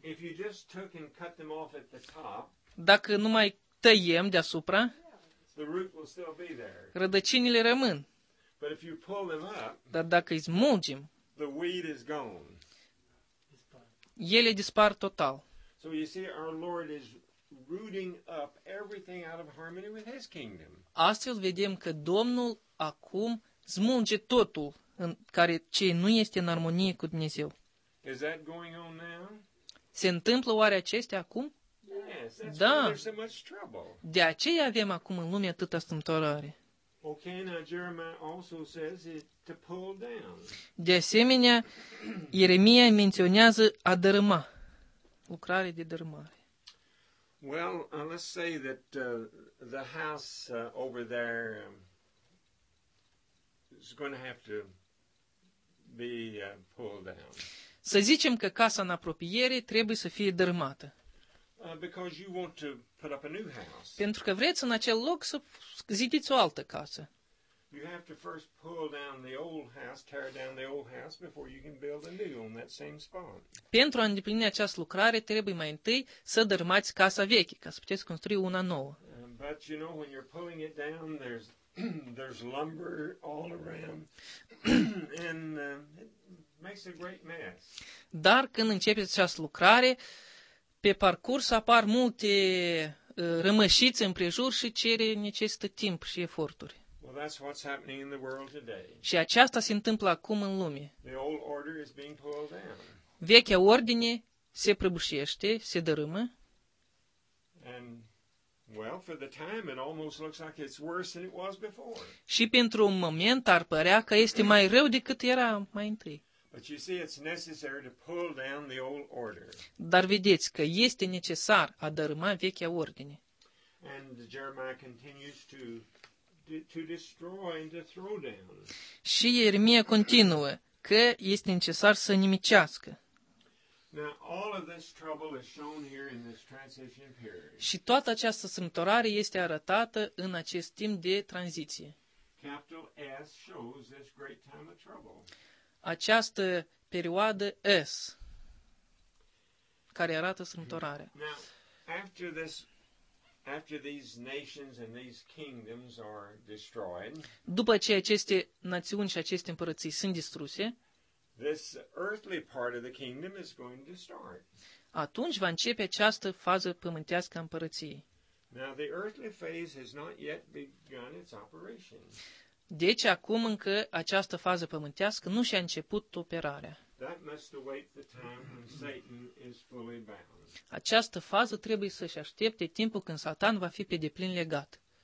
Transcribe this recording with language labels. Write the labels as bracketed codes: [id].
[en] If you just took and cut them off at the top, [ro] dacă numai tăiem deasupra, [en] the root will still be there. [ro] Rădăcinile rămân. [en] But if you pull them up, [ro] dar dacă îi smulgem, [en] the weed is gone. [ro] Ele dispar total. [en] So you see, our Lord is rooting up everything out of harmony with his kingdom. [ro] Astfel vedem că Domnul acum smulge totul în care ce nu este în armonie cu Dumnezeu. [en] Is that going on now? [ro] Se întâmplă oare acestea acum? [en] Yes, that's why there's so much trouble. [ro] De aceea avem acum în lume atâta strâmtorare. [en] Okay, now Jeremiah also says it to pull down. [ro] De asemenea, Ieremia menționează a dărâma, lucrare de dărâmare. [en] Well, let's say that the house over there is going to have to be pulled down. [ro] Să zicem că casa în apropiere trebuie să fie dărâmată. [en] Because you want to put up a new house. [ro] Pentru că vreți în acel loc să zidiți o altă casă. [en] You have to first pull down the old house, tear down the old house before you can build a new on that same spot. [ro] Pentru a îndeplini această lucrare, trebuie mai întâi să dărâmați casa veche, ca să puteți construi una nouă. [en] But you know, when you're pulling it down, there's lumber all around, and it makes a great mess. [ro] Dar când începeți această lucrare, pe parcurs apar multe rămășițe împrejur și cere necesită timp și eforturi. [en] Well, that's what's happening in the world today. [ro] Și aceasta se întâmplă acum în lume. [en] The old order is being pulled down. [ro] Vechea ordine se prăbușește, se dărâmă. [en] And well, for the time it almost looks like it's worse than it was before. [ro] Și pentru un moment ar părea că este mai rău decât era mai întâi. [en] But you see, it's necessary to pull down the old order. [ro] Dar vedeți că este necesar a dărâma vechea ordine. [en] And Jeremiah continues to destroy and to throw down. [ro] Și Ieremia continuă că este necesar să nimicească. [en] Now, all of this trouble is shown here in this transition period. [ro] Și toată această strâmtorare este arătată în acest timp de tranziție. [en] Capital S shows this great time of trouble. [ro] Această perioadă S care arată strâmtorarea. [en] Now, after these nations and these kingdoms are destroyed, [ro] după ce aceste națiuni și aceste împărății sunt distruse, [en] this earthly part of the kingdom is going to start. [ro] Atunci va începe această fază pământească a împărăției. [en] Now the earthly phase has not yet begun its operation. [ro] Deci acum încă această fază pământească nu și-a început operarea. [en] That must await the time when Satan is fully bound. [ro] Această fază trebuie să-și aștepte timpul când Satan va fi pe deplin legat.